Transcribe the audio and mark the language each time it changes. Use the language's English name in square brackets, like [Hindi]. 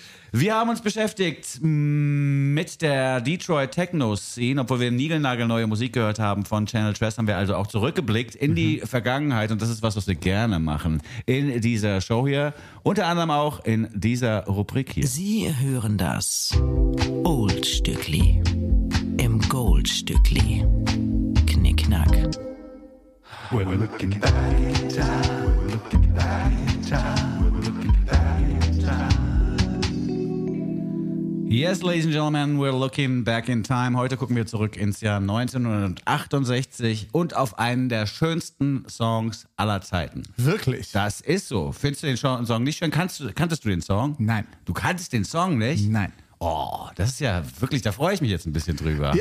[German] Wir haben uns beschäftigt mit der Detroit Techno-Szene, obwohl wir niegelnagelneue Musik gehört haben von Channel Trash, haben wir also auch zurückgeblickt in die Vergangenheit, und das ist was, was wir gerne machen in dieser Show hier, unter anderem auch in dieser Rubrik hier. Sie hören das Old Stückli im Gold Stückli. Knickknack. [English] We're looking back in time. We're looking back in time. Yes, ladies and gentlemen, we're looking back in time. [German] Heute gucken wir zurück ins Jahr 1968 und auf einen der schönsten Songs aller Zeiten. Wirklich? Das ist so. Findest du den Song nicht schön? Kanntest du den Song? Nein. Du kanntest den Song nicht? Nein. Oh, das ist ja wirklich, da freue ich mich jetzt ein bisschen drüber.